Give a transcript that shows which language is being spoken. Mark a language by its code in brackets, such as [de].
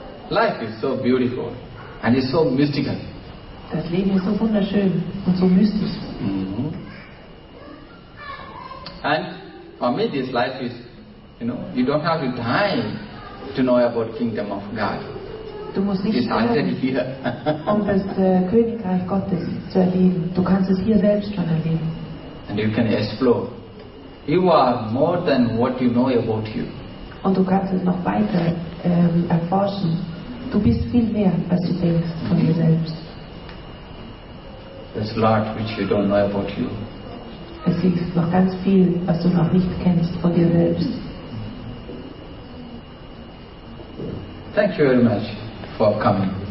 [en] Life is so beautiful and it's so mystical. [de] Das Leben ist so wunderschön und so mystisch. [en] And for me this life is, you know, you don't have to die to know about kingdom of God. [de] Du musst nicht sterben, um das Königreich Gottes zu erleben. Du kannst es hier selbst schon erleben. [en] And you can explore. You are more than what you know about you. [de] Und du kannst es noch weiter erforschen. Du bist viel mehr, als du denkst von dir selbst. [en] There's a lot which you don't know about you. [de] Es ist noch ganz viel, was du noch nicht kennst von dir selbst. [en] Thank you very much for coming.